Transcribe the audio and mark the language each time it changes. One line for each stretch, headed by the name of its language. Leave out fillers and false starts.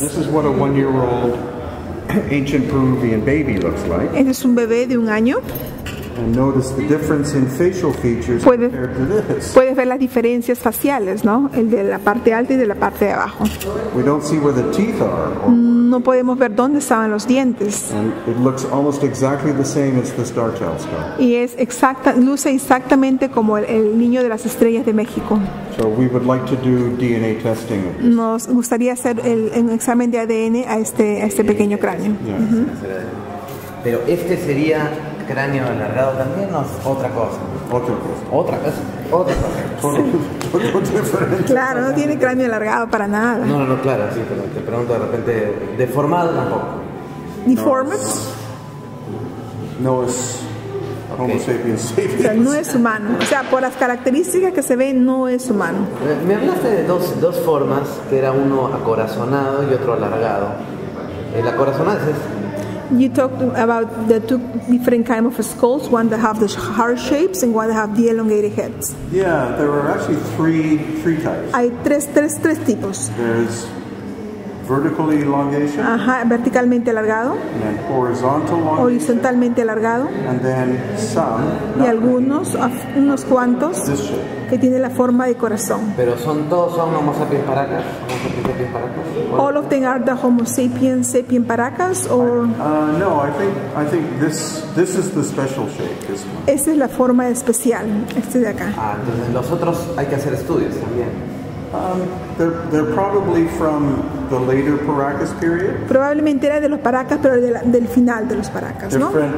English: This is what a 1-year-old ancient Peruvian baby looks like.
Spanish: Este es un bebé de un año.
English: And notice the difference in facial features compared to this.
Spanish: Puedes ver las diferencias faciales, ¿no? El de la parte alta y de la parte de abajo.
English: We don't see where the teeth are.
Spanish: No podemos ver dónde estaban los dientes.
English: And it looks almost exactly the same as the Star Child skull.
Spanish: Y es exacta, luce exactamente como el niño de las estrellas de México.
English: So we would like to do DNA testing.
Spanish: Nos gustaría hacer un examen de ADN a este pequeño cráneo.
English: Yeah.
Spanish: Pero este sería cráneo alargado también o otra cosa? Otra cosa. Claro, no tiene cráneo alargado para nada. No, claro, sí, pero te pregunto de repente, ¿deformado tampoco? ¿Deformes? No es Homo sapiens sapiens. O sea, no es humano. O sea, por las características que se ven, no es humano. Me hablaste de dos formas, que era uno acorazonado y otro alargado. El acorazonado es...
English: You talked about the two different kinds of skulls, one that have the heart shapes and one that have the elongated heads. Yeah, there are actually three types.
Spanish: Hay tres tipos.
English: There's vertically elongation.
Spanish: Verticalmente alargado.
English: And then horizontal elongation.
Spanish: Horizontalmente alargado.
English: And then some.
Spanish: Y algunos, unos cuantos, que tiene la forma de corazón. Pero todos son Homo sapiens paracas. Homo sapiens sapiens paracas.
English: All of them are the Homo sapiens sapiens paracas, or? No, I think this is the special shape. This one.
Spanish: Esta es la forma especial. Este de acá. Ah, entonces los otros hay que hacer estudios también.
English: They're probably from the later Paracas period.
Spanish: Probablemente era de los Paracas, pero del final de los Paracas, ¿no?